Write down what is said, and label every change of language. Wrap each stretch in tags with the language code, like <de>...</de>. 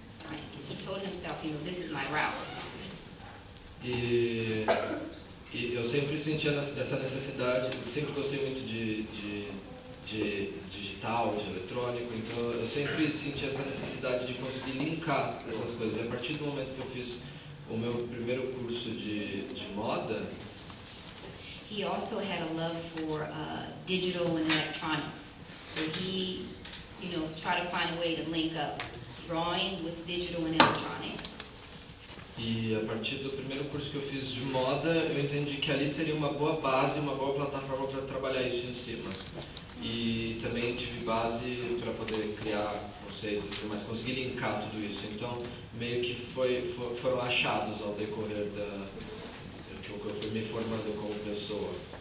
<en>And he told himself, you know, this is my route.</en> <pt>E E eu sempre sentia essa necessidade, sempre gostei muito de digital, de eletrônico, então eu sempre senti essa necessidade de conseguir linkar essas coisas. E a partir do momento que eu fiz o meu primeiro curso de moda,</pt> <en>he also had a love for digital and electronics. So he, you know, tried to find a way to link up drawing with digital and electronics.</en> <pt>E a partir do primeiro curso que eu fiz de moda, eu entendi que ali seria uma boa base, uma boa plataforma para trabalhar isso em cima. E também tive base para poder criar conceitos, mas consegui linkar tudo isso. Então, meio que foram achados ao decorrer da que eu fui me formando como pessoa.</pt>